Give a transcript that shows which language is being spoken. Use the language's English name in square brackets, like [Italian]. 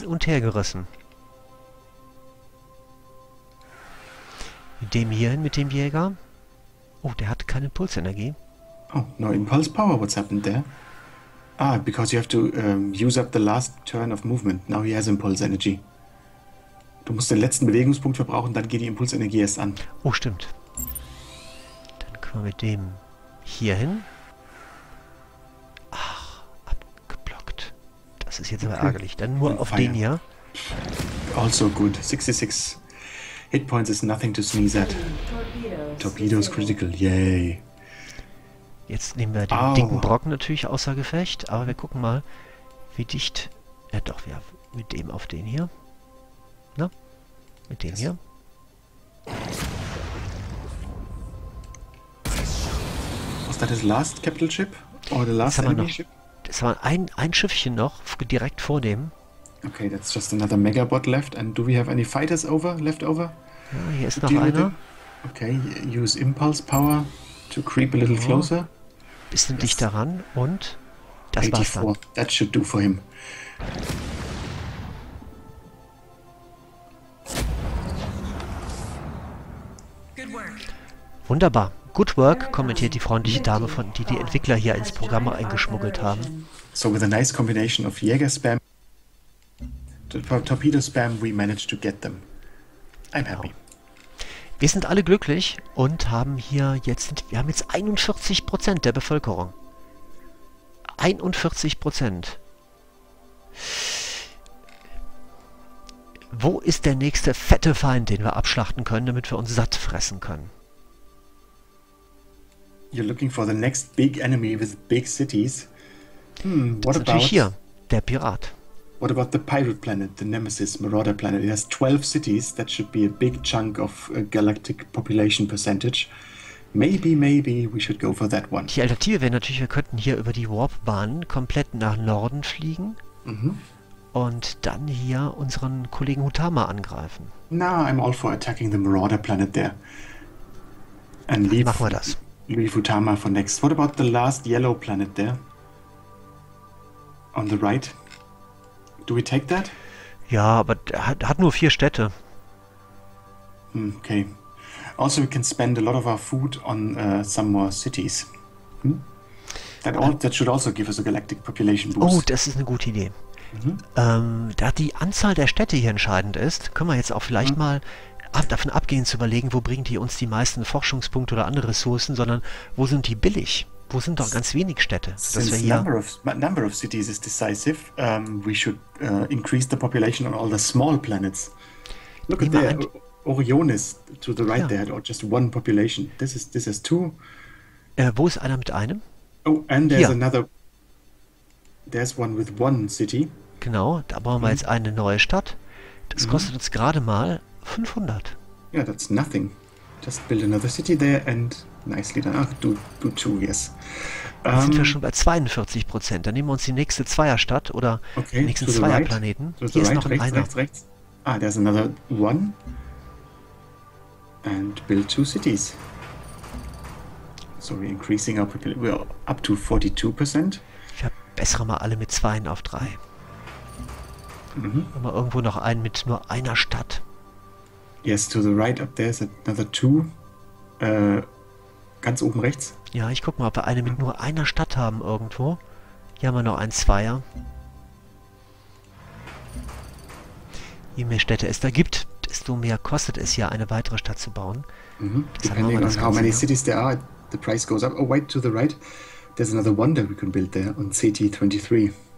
[German] Hin und her gerissen. Dem hier hin mit dem Jäger. Oh, der hat keine Pulsenergie. [English] Oh, no impulse power. What's happened there? Ah, because you have to use up the last turn of movement. Now he has impulse energy. [German] Du musst den letzten Bewegungspunkt verbrauchen, dann geht die Impulsenergie erst an. Oh, stimmt. Dann können wir mit dem hier hin. Ach, abgeblockt. Das ist jetzt aber ärgerlich. Dann nur auf den hier. [English] Also good. 66. Hit points is nothing to sneeze at. Torpedoes critical, yay. [German] Jetzt nehmen wir den dicken Brocken natürlich außer Gefecht, aber wir gucken mal, wie dicht. Ja, doch, wir mit dem auf den hier. Na? Mit dem hier. Was war das [English] last Capital Ship? [German] Oder [English] the last enemy [German] noch, [English] ship? [German] Das war ein Schiffchen noch, direkt vor dem. [English] Okay, that's just another Megabot left. And do we have any fighters over, left over? [German] Ja, hier ist noch einer. [English] Okay, use impulse power to creep a little closer. [German] Bisschen dicht daran und das 84. War's dann. [English] That should do for him. Good work. [German] Wunderbar. [English] Good work, [German] kommentiert die freundliche Dame, von die die Entwickler hier ins Programm eingeschmuggelt haben. [English] So with a nice combination of Jäger Spam Torpedo Spam, we managed to get them. I'm happy. [German] Wir sind alle glücklich und haben hier jetzt, wir haben jetzt 41% der Bevölkerung. 41%. Wo ist der nächste fette Feind, den wir abschlachten können, damit wir uns satt fressen können? [English] You're looking for the next big enemy with big cities. [German] Das ist natürlich hier, der Pirat. [English] What about the pirate planet, the nemesis, marauder planet? It has 12 cities. That should be a big chunk of a galactic population percentage. Maybe we should go for that one. [German] Die Alternative wäre natürlich, wir könnten hier über die Warpbahn komplett nach Norden fliegen und dann hier unseren Kollegen Hutama angreifen. [English] Nah, I'm all for attacking the marauder planet there. And leave, [German] machen wir das. [English] Leave Hutama for next. What about the last yellow planet there? On the right? Do we take that? [German] Ja, aber hat nur 4 Städte. [English] Okay. Also we can spend a lot of our food on some more cities. That should also give us a galactic population boost. [German] Oh, das ist eine gute Idee. Da die Anzahl der Städte hier entscheidend ist, können wir jetzt auch vielleicht mal davon abgehen zu überlegen, wo bringen die uns die meisten Forschungspunkte oder andere Ressourcen, sondern wo sind die billig? Wo sind doch ganz wenig Städte? [English] Number of cities is decisive. We should increase the population on all the small planets. Look at there, Orionis to the right there, or just one population. This is two. [German] Wo ist einer mit einem? [English] Oh, and there's another. There's one with one city. [German] Genau, da bauen wir jetzt eine neue Stadt. Das kostet uns gerade mal 500. [English] Yeah, that's nothing. Just build another city there and. Nicely done. [German] Ach, du [English] too, yes. [German] Dann sind wir schon bei 42%. Dann nehmen wir uns die nächste Zweierstadt oder die nächsten Zweierplaneten. [English] Right. [German] Hier ist noch ein rechts. [English] Ah, there's another one. And build two cities. So we're increasing our population. We're up to 42%. [German] Verbessere mal alle mit 2 auf 3. Mhm. Mal irgendwo noch einen mit nur einer Stadt. [English] Yes, to the right up there is another two. [German] Ganz oben rechts. Ja, ich guck mal, ob wir eine mit nur einer Stadt haben irgendwo. Hier haben wir noch ein Zweier. Je mehr Städte es da gibt, desto mehr kostet es hier, eine weitere Stadt zu bauen. [English] Depending on how many cities there are, the price goes up. Oh, wait, to the right. There's another one that we can build there on CT23.